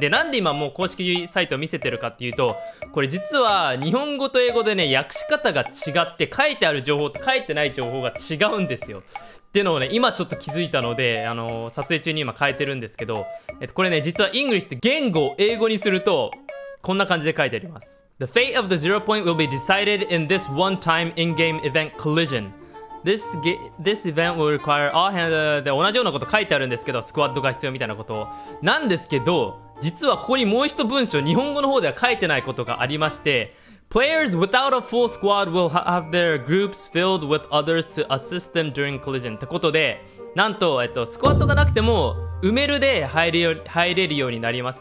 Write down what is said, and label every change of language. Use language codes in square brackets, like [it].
[ja] で、なんで今もう公式サイトを見せてるかっていうと、これ実は日本語と英語でね、訳し方が違って、書いてある情報と書いてない情報が違うんですよっていうのをね、今ちょっと気づいたので、撮影中に今変えてるんですけど、これね、実はイングリッシュって言語を英語にすると、こんな感じで書いてあります。 [en] The fate of the zero point will be decided in this one-time in-game event collision. This event will require all hands... [ja] で、同じようなこと書いてあるんですけど、スクワッドが必要みたいなことを。なんですけど、実はここにもう一文章、日本語の方では書いてないことがありまして、 [en] Players without a full squad will have their groups filled with others to assist them during collision. [ja] ってことで、なんと、スクワットがなくても、埋めるで入れるようになります。